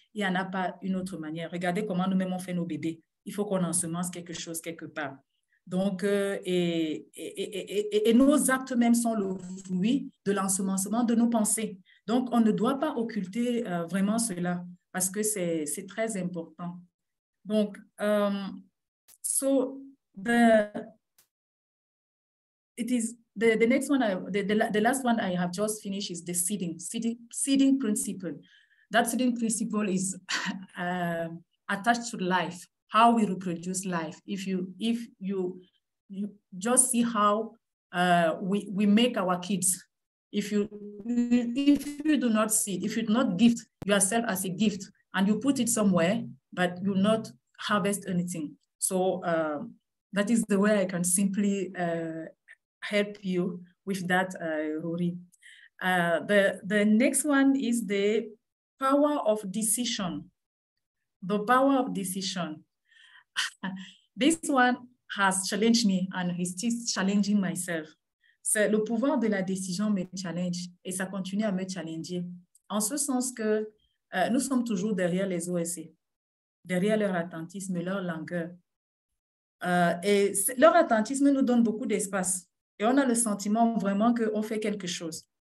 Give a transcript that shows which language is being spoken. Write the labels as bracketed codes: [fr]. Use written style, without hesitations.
[fr] Il n'y en a pas une autre manière. Regardez comment nous-mêmes on fait nos bébés. Il faut qu'on ensemence quelque chose quelque part. Donc, et nos actes même sont le fruit de l'ensemencement de nos pensées. Donc, on ne doit pas occulter vraiment cela parce que c'est très important. [en] Donc, the last one I have just finished is the seeding principle. That seeding principle is attached to life, how we reproduce life. If you just see how we make our kids. If you do not seed, if you do not gift yourself as a gift, and you put it somewhere, but you not harvest anything. So that is the way I can simply help you with that, Rory. The next one is the power of decision. The power of decision. This one has challenged me and is still challenging myself. [fr] C'est le pouvoir de la décision me challenge et ça continue à me challenger. En ce sens que nous sommes toujours derrière les OSC, derrière leur attentisme et leur langueur. Et leur attentisme nous donne beaucoup d'espace. Et on a le sentiment vraiment qu'on fait quelque chose.